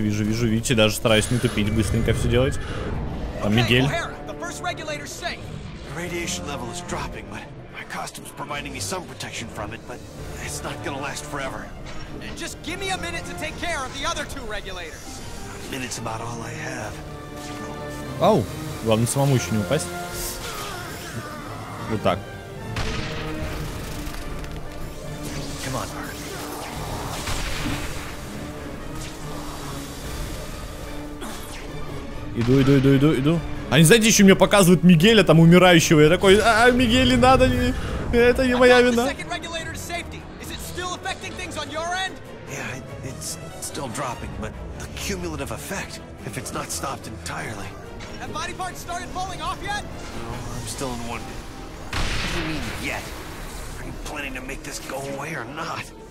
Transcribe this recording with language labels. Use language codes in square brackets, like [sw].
[ru] Видите, даже стараюсь не тупить, быстренько все делать. Там Мигель. [en] Okay, O'Hara, the first regulator's safe. The radiation level is dropping, but my costume's providing me some protection from it, but it's not gonna last forever. Just give me a minute to take care of the other two regulators. A minute's about all I have. Oh, [ru] главное самому еще не упасть. Вот так. [en] Come on, Mark. [ru] Иду. Они, знаете, еще мне показывают Мигеля там умирающего. Я такой, а, Мигеле надо, это не моя вина. [en] Second regulator safety. Is it still affecting things on your end? Yeah, it's still dropping, but the cumulative effect, if it's not stopped entirely. Have body parts started falling off yet? No, I'm still in one. What do you mean, yet? Are you planning to make this go away or not?